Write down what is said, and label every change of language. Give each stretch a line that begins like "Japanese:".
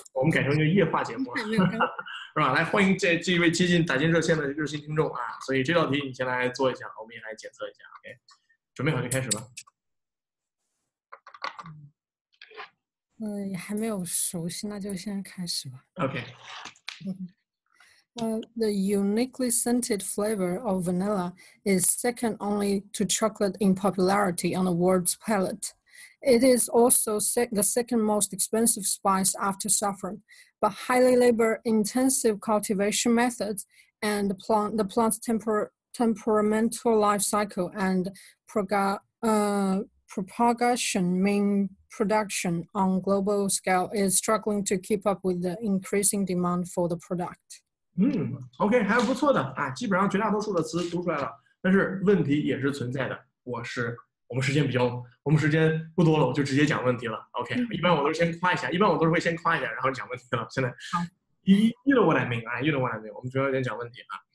Chinese: 我们改成一个夜话节目了，是吧？来，欢迎这位接近打进热线的热心听众啊！所以这道题你先来做一下，我们也来检测一下。 OK， 准备好就开始吧。还没有熟悉，那就先开始吧。 OK。
English: The uniquely scented flavor of vanilla is second only to chocolate in popularity on the world's palate. It is also the second most expensive spice after saffron. But highly labor-intensive cultivation methods and the plant's temperamental life cycle and propagation mean production on global scale is struggling to keep up with the increasing demand for the product.
Chinese: 嗯 ，OK， 还是不错的啊，基本上绝大多数的词读出来了，但是问题也是存在的。我们时间不多了，我就直接讲问题了。OK，、一般我都是先夸一下，一般我都是会先夸一下，然后讲问题了。现在，好
English: ，You know what I mean 啊 ，You know what I mean，
Chinese: 我们主要先讲问题啊。